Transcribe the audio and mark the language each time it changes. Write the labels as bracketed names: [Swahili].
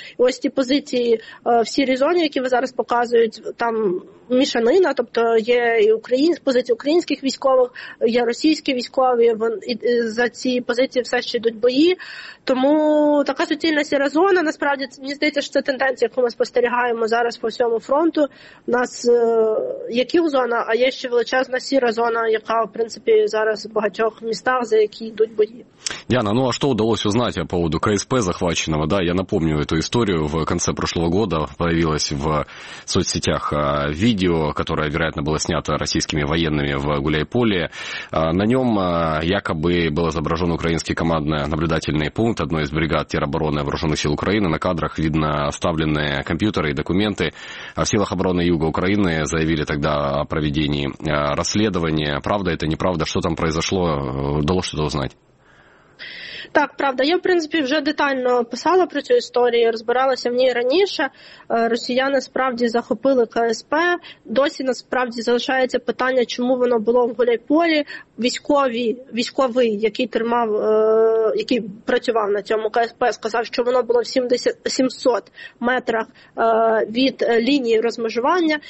[Ukrainian] І ось ці позиції в сірій зоні, які ви зараз показують, там мішанина, тобто є і позиції українських військових, є російські військові, і за ці позиції все ще йдуть бої. Тому така суцільна сіра зона, насправді, мені здається, що це тенденція, яку ми спостерігаємо зараз по всьому фронту. У нас є кілзона, а є ще величезна сіра зона, яка, в принципі, зараз в багатьох містах, за які йдуть бої. [Russian] Диана, ну а что удалось узнать о поводу КСП захваченного? Да, я напомню эту историю. В конце прошлого года появилось в соцсетях видео, которое, вероятно, было снято российскими военными в Гуляйполе. На нем якобы был изображен украинский командно-наблюдательный пункт одной из бригад теробороны Вооруженных сил Украины. На кадрах видно оставленные компьютеры и документы. В силах обороны Юга Украины заявили тогда о проведении расследования. Правда это, неправда? Что там произошло? Удалось что-то узнать? [Ukrainian] Так, правда. Я, в принципі, вже детально писала про цю історію, розбиралася в ній раніше. Росіяни справді захопили КСП. Досі насправді залишається питання, чому воно було в Гуляйполі. Військовий, який тримав, який працював на цьому КСП, сказав, що воно було в 700 метрах від лінії розмежування.